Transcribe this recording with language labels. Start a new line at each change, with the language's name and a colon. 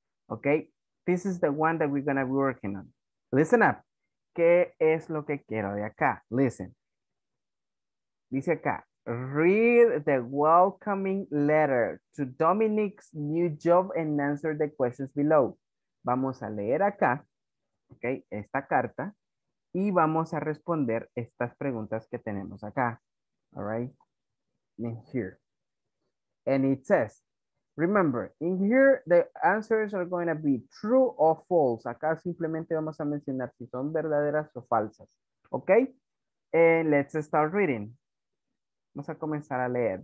English: Okay, this is the one that we're gonna be working on. Listen up.
Spanish: ¿Qué es lo que quiero de acá?
English: Listen.
Spanish: Dice acá,
English: read the welcoming letter to Dominic's new job and answer the questions below.
Spanish: Vamos a leer acá, okay, esta carta, y vamos a responder estas preguntas que tenemos acá.
English: All right? In here. And it says, remember, in here, the answers are going to be true or false.
Spanish: Acá simplemente vamos a mencionar si son verdaderas o falsas. Okay?
English: And let's start reading.
Spanish: Vamos a comenzar a leer.